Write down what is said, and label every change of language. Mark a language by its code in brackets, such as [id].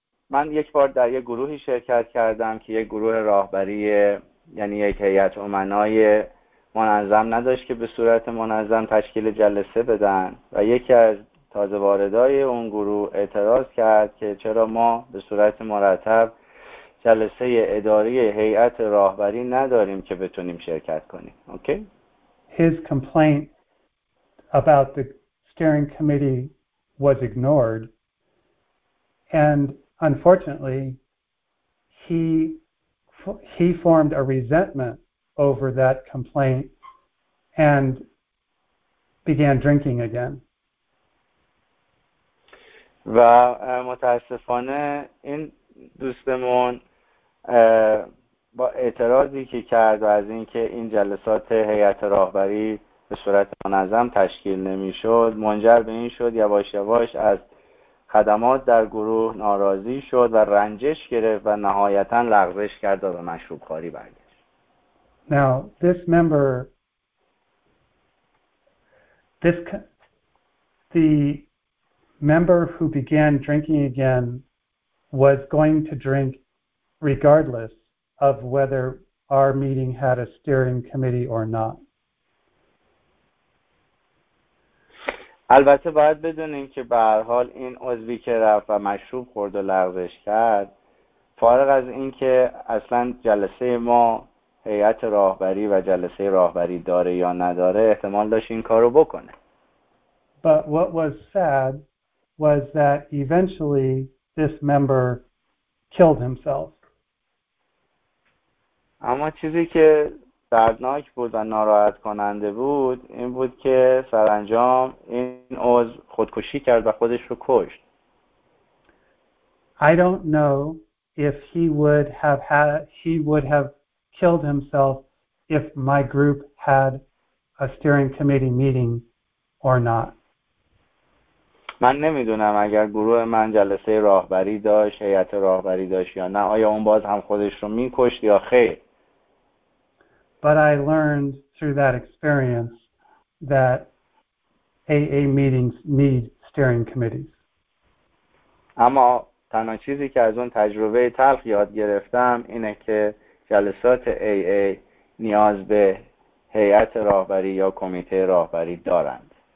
[fa] من یک بار در یک گروهی شرکت کردم که یک گروه راهبری یعنی یک هیئت امنای منظم نداشت که به صورت منظم تشکیل جلسه بدن و یکی از تازه واردای اون گروه اعتراض کرد که چرا ما به صورت مرتب جلسه اداری هیئت راهبری نداریم که بتونیم شرکت کنیم. [en] Okay? His complaint about the steering committee was ignored, and unfortunately, he formed a resentment over that complaint and began drinking again. [fa] و متاسفانه این دوستمون با اعتراضی که کرد و از اینکه این جلسات هیئت راهبری به صورت منظم تشکیل نمی‌شد منجر به این شد یواش یواش از خدمات در گروه ناراضی شد و رنجش گرفت و نهایتاً لغزش کرد و به مشروب خواری برگشت. [en] Now this member who began drinking again was going to drink regardless of whether our meeting had a steering committee or not. [fa] البته باید بدونیم که به هر حال این عضوی که رفت و مشروب خورد و لغزش کرد فارغ از اینکه اصلا جلسه ما هیئت راهبری و جلسه راهبری داره یا نداره احتمال داشت این کارو بکنه. [en] But what was sad was that eventually this member killed himself. [fa] اما چیزی که دردناک بود و ناراحت کننده بود این بود که سرانجام این عضو خودکشی کرد و خودش رو کشت. [en] I don't know if he would have killed himself if my group had a steering committee meeting or not. [fa] من نمیدونم اگر گروه من جلسه راهبری داشت، هیئت راهبری داشت یا نه، آیا اون باز هم خودش رو میکشت یا خیر. [en] But I learned through that experience that AA meetings need steering committees. [fa] اما تنها چیزی که از اون تجربه تلخ یاد گرفتم اینه که جلسات AA نیاز به هیئت راهبری یا کمیته راهبری دارند.